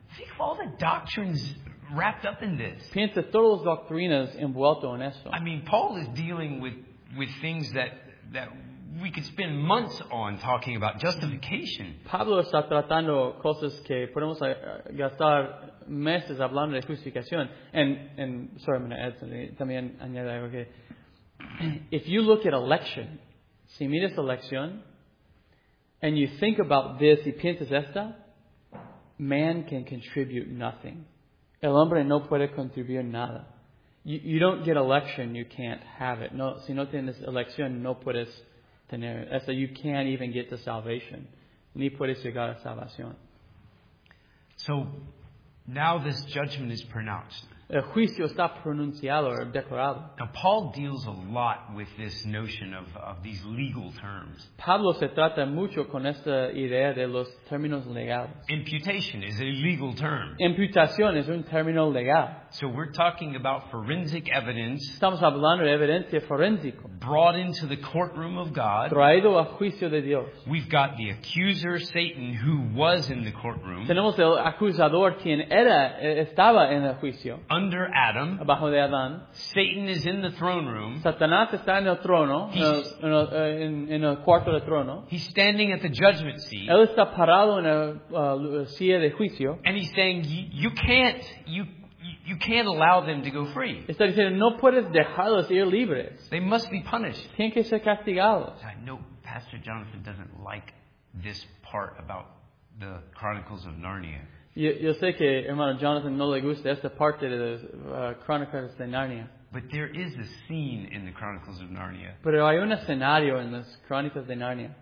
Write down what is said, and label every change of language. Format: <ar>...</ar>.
<en>Think of all the doctrines wrapped up in this.</en> <es>Piensa todas las doctrinas envueltas en esto.</es> <en>I mean, Paul is dealing with things that we could spend months on talking about. Justification.</en> <es>Pablo está tratando cosas que podemos gastar meses hablando de justificación.</es> <en>And sorry, I'm going to add something.</en> <es>También añade algo que,</es> <en>if you look at election.</en> <es>Si miras la elección,</es> <en>and you think about this</en> <es>y piensas esta,</es> <en>man can contribute nothing.</en> <es>El hombre no puede contribuir nada.</es> <en>You don't get election, you can't have it.</en> <es>No, si no tienes elección, no puedes tener esta.</es> <en>You can't even get to salvation.</en> <es>Ni puedes llegar a salvación.</es> <en>So, now this judgment is pronounced.</en> <es>El juicio está pronunciado o declarado.</es> <en>Now Paul deals a lot with this notion of these legal terms.</en> <es>Pablo se trata mucho con esta idea de los términos legales.</es> <en>Imputation is a legal term.</en> <es>Imputación es un término legal.</es> <en>So we're talking about forensic evidence.</en> <es>Estamos hablando de evidencia forénsica.</es> <en>Brought into the courtroom of God.</en> <es>Traído a juicio de Dios.</es> <en>We've got the accuser, Satan, who was in the courtroom.</en> <es>Tenemos el acusador quien era estaba en el juicio.</es> <en>Under Adam,</en> <es>abajo de Adán,</es> <en>Satan is in the throne room.</en> <es>Satanás está en el trono, en el cuarto del trono.</es> <en>He's standing at the judgment seat.</en> <es>Él está parado en la silla de juicio.</es> <en>And he's saying, you can't allow them to go free.</en> <es>Está diciendo, no puedes dejarlos ir libres.</es> <en>They must be punished.</en> <es>Tienen que ser castigados.</es> <en>I know Pastor Jonathan doesn't like this part about the Chronicles of Narnia.</en> <es>Yo sé que hermano Jonathan no le gusta esta parte de las Crónicas de Narnia.</es> <en>But there is a scene in the Chronicles of Narnia.</en> <es>Pero hay un escenario en las Crónicas de Narnia.</es>